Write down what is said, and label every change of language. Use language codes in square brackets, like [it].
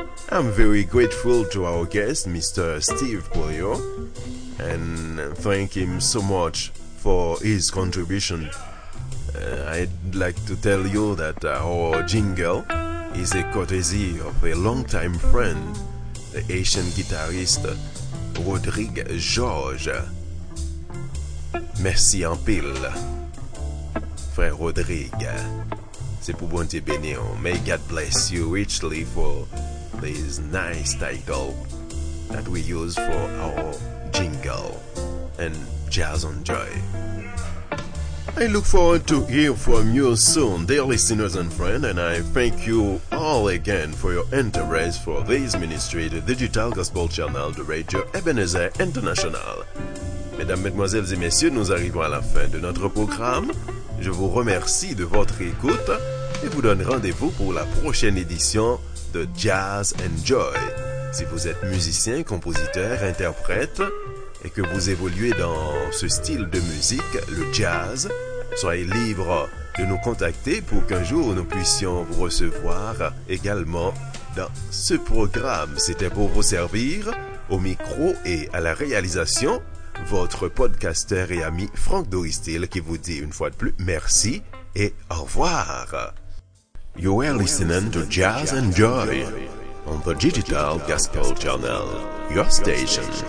[en] I'm very grateful to our guest, Mr. Steve Pollio, and thank him so much for his contribution. I'd like to tell you that our jingle is a courtesy of a longtime friend, the Haitian guitarist Rodrigue George. [fr] Merci en pile, Frère Rodrigue. C'est pour bon te bénir. [en] May God bless you richly for this nice title that we use for our jingle and Jazz on Joy. I look forward to hear from you soon, dear listeners and friends, and I thank you all again for your interest for this ministry, the Digital Gospel Channel de Radio Ebenezer International. [fr] Mesdames, Mesdemoiselles et Messieurs, nous arrivons à la fin de notre programme. Je vous remercie de votre écoute et vous donne rendez-vous pour la prochaine édition de Jazz and Joy. Si vous êtes musicien, compositeur, interprète et que vous évoluez dans ce style de musique, le jazz, soyez libre de nous contacter pour qu'un jour nous puissions vous recevoir également dans ce programme. C'était pour vous servir au micro et à la réalisation, votre podcasteur et ami Franck Doristil qui vous dit une fois de plus merci et au revoir. [en] You are listening to Jazz and Joy on the Digital Gospel Channel, your station.